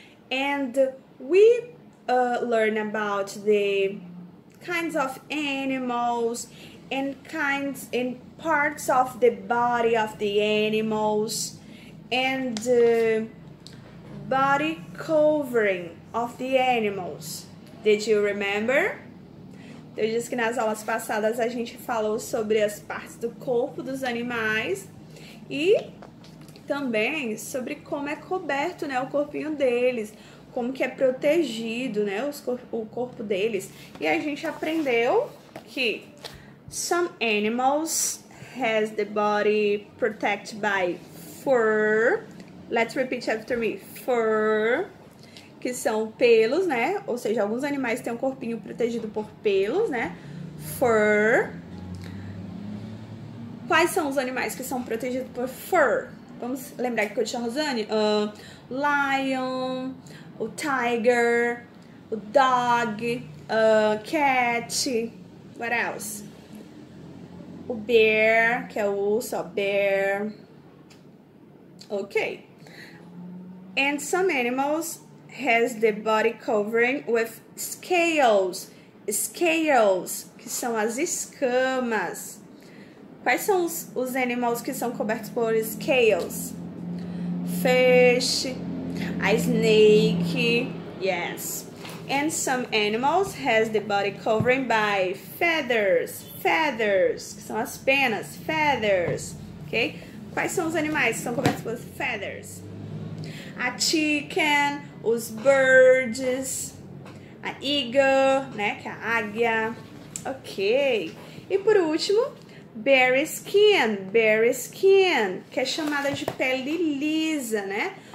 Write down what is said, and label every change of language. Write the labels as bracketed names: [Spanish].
[English] And we learn about the kinds of animals and kinds and parts of the body of the animals and the body covering of the animals. Did you remember? [Portuguese] Eu disse que nas aulas passadas a gente falou sobre as partes do corpo dos animais e também sobre como é coberto, né, o corpinho deles, como que é protegido, né, o corpo deles. E a gente aprendeu que [English] some animals has the body protected by fur. Let's repeat after me. Fur, [Portuguese] que são pelos, né? Ou seja, alguns animais têm um corpinho protegido por pelos, né? Fur. Quais são os animais que são protegidos por fur? Vamos lembrar que o cachorro, Rosane? [English] Lion, o tiger, o dog, cat, what else? [Portuguese] O bear, que é o urso, bear. Ok. [English] And some animals has the body covering with scales. [Portuguese] Scales, que são as escamas. Quais são os animais que são cobertos por scales? [English] Fish, a snake, yes. And some animals has the body covering by feathers. [Portuguese] Feathers, que são as penas. Feathers, ok? Quais são os animais que são cobertos por feathers? A chicken, os birds, a eagle, né, que é a águia. Ok. E por último, bear skin, que é chamada de pele lisa, né?